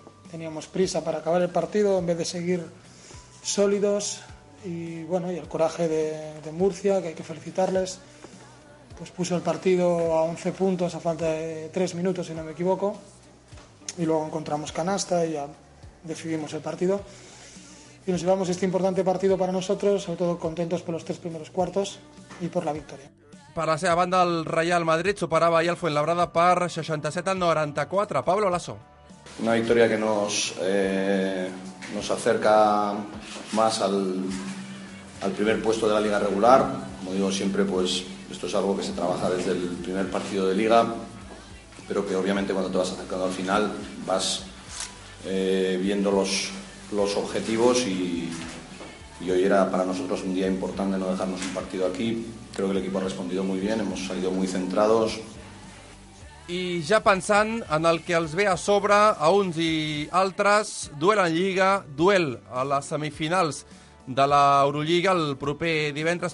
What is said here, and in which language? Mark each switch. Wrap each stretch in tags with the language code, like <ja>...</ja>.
<es>Teníamos prisa para acabar el partido en vez de seguir sólidos, y bueno, y el coraje de Murcia, que hay que felicitarles, pues puso el partido a 11 puntos a falta de 3 minutos, si no me equivoco, y luego encontramos canasta y ya decidimos el partido y nos llevamos este importante partido para nosotros, sobre todo contentos por los tres primeros cuartos y por la victoria.</es> <ca>Per la seva banda, el Real Madrid superava ahir el Fuenlabrada per 67-94. Pablo Lasso.</ca> <es>Una victoria que nos acerca más al primer puesto de la liga regular. Como digo siempre, pues esto es algo que se trabaja desde el primer partido de liga, pero que obviamente cuando te vas acercando al final vas viendo los objetivos, y hoy era para nosotros un día importante, no dejarnos un partido aquí. Creo que el equipo ha respondido muy bien, hemos salido muy centrados.</es> <ca>I ja pensant en el que els ve a sobre a uns i altres, duel en Lliga, duel a les semifinals de l'Eurolliga el proper divendres.</ca>